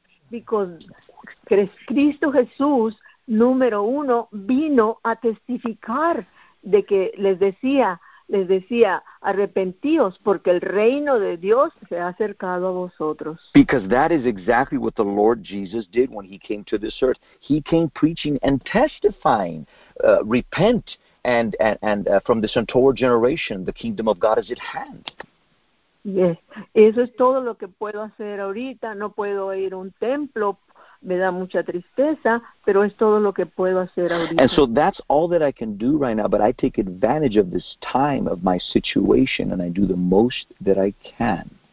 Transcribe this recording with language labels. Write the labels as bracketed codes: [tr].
[en] Because [es] Cristo Jesús, número uno, vino a testificar de que les decía, arrepentíos, porque el reino de Dios se ha acercado a vosotros. [en] Because that is exactly what the Lord Jesus did when he came to this earth. He came preaching and testifying, repent and from this untoward generation, the kingdom of God is at hand. Yes, [es] eso es todo lo que puedo hacer ahorita. No puedo ir a un templo. Me da mucha tristeza, pero es todo lo que puedo hacer ahorita. [en] And so that's all that I can do right now, but I take advantage of this time, of my situation, and I do the most that I can.